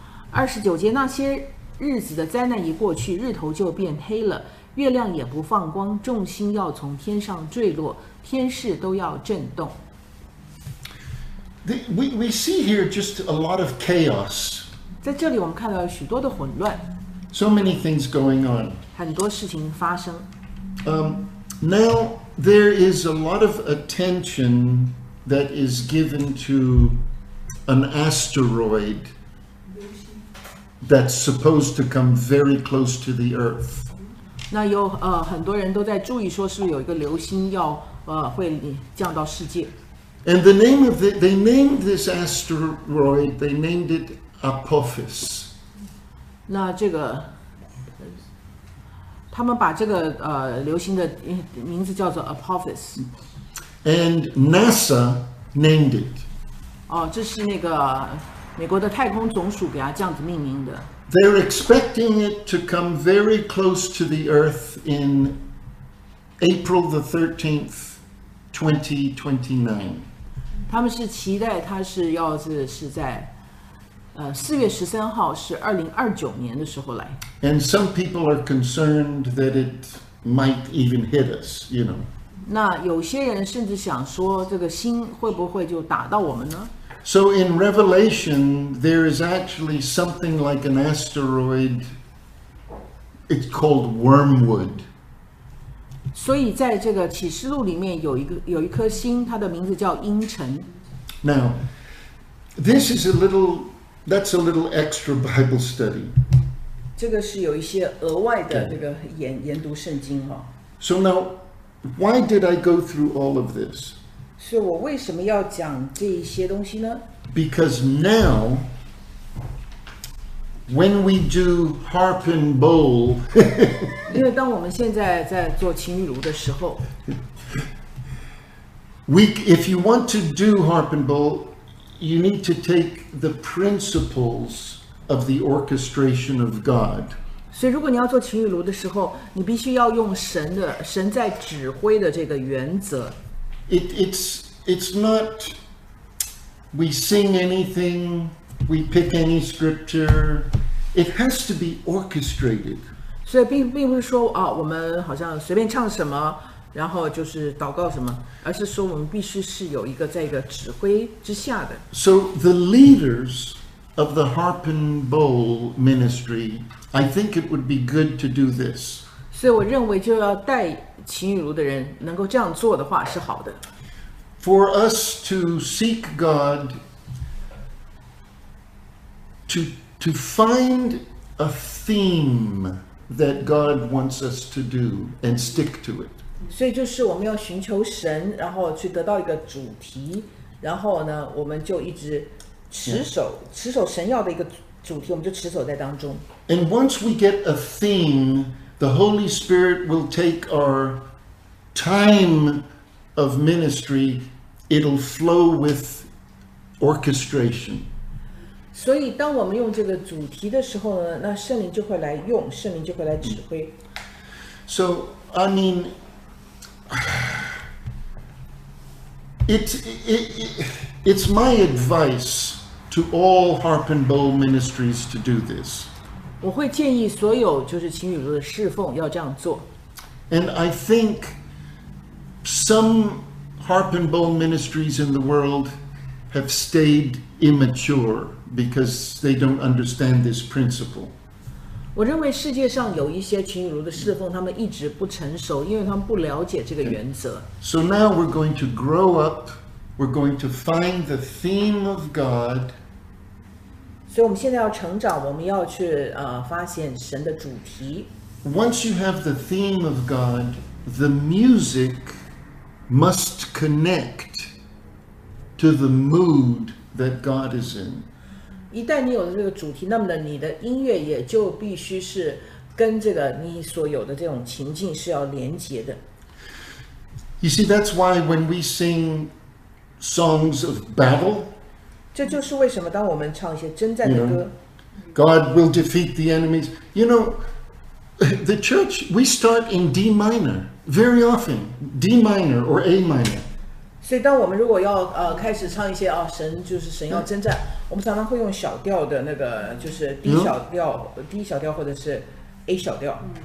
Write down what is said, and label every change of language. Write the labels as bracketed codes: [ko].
[zh] 二十九节，那些日子的灾难一过去，日头就变黑了，月亮也不放光，众星要从天上坠落，天势都要震动。 [en] We see here just a lot of chaos. [zh] 在这里我们看到许多的混乱。 [en] So many things going on. [zh] 很多事情发生。 [en] Now there is a lot of attention that is given to an asteroid that's supposed to come very close to the Earth. [zh] 那有很多人都在注意说是不是有一个流星要会降到世界。 [en] And the name of it, they named this asteroid, they named it Apophis. [zh] 那这个他们把这个流星的名字叫做 Apophis, [en] and NASA named it. [zh] 哦，这是那个美国的太空总署给它这样子命名的。 [en] They're expecting it to come very close to the Earth in April the 13th, 2029. [zh] 他们是期待它是要是在。四月十三号是二零二九年的时候来。 [en] And some people are concerned that it might even hit us, you know. [zh] 那有些人甚至想说，这个星会不会就打到我们呢 [en] ？So in Revelation, there is actually something like an asteroid. It's called Wormwood. [zh] 所以在这个启示录里面有一颗星，它的名字叫阴沉。 [en] Now, this is a little. That's a little extra Bible study. [zh] 这个是有一些额外的这个研读圣经哈。 [en] So now, why did I go through all of this? [zh] 所以我为什么要讲这一些东西呢？ [en] Because now, when we do harp and bowl, [zh] 因为当我们现在在做琴与炉的时候 [en] if you want to do harp and bowl. You need to take the principles of the orchestration of God. [zh] 所以如果你要做琴与炉的时候，你必须要用神在指挥的这个原则。 [en] It's not we sing anything, we pick any scripture. It has to be orchestrated. [zh] 所以并不是说我们好像随便唱什么。然后就是祷告什么，而是说我们必须是有一个在一个指挥之下的。 [en] So the leaders of the harp and bowl ministry, I think it would be good to do this. [zh] 所以我认为就要带琴与炉的人能够这样做的话是好的。 [en] for us to seek God, to find a theme that God wants us to do and stick to it. [zh] 所以就是我们要寻求神，然后去得到一个主题，然后呢，我们就一直持守，持守神要的一个主题，我们就持守在当中。 [en] And once we get a theme, the Holy Spirit will take our time of ministry, it'll flow with orchestration. [zh] 所以当我们用这个主题的时候呢，那圣灵就会来用，圣灵就会来指挥。 [en] So, I mean, it's my advice to all Harp and Bowl ministries to do this. [zh] 我会建议所有就是情侣的侍奉要这样做。 [en] And I think some Harp and Bowl ministries in the world have stayed immature because they don't understand this principle. [zh] 我认为世界上有一些情侣的侍奉，他们一直不成熟，因为他们不了解这个原则。 [en] So now we're going to grow up. We're going to find the theme of God. [zh] 所以我们现在要成长，我们要去发现神的主题。 [en] Once you have the theme of God, the music must connect to the mood that God is in. [zh] 一旦你有了这个主题，那么你的音乐也就必须是跟这个你所有的这种情境是要连接的。 [en] You see, that's why when we sing songs of battle, [zh] 这就是为什么当我们唱一些征战的歌， [en] you know, God will defeat the enemies. You know, the church, we start in D minor. Very often, D minor or A minor. [zh] 所以当我们如果要开始唱一些啊神就是神要征战，我们常常会用小调的那个就是 D 小调、D 小调或者是 A 小调。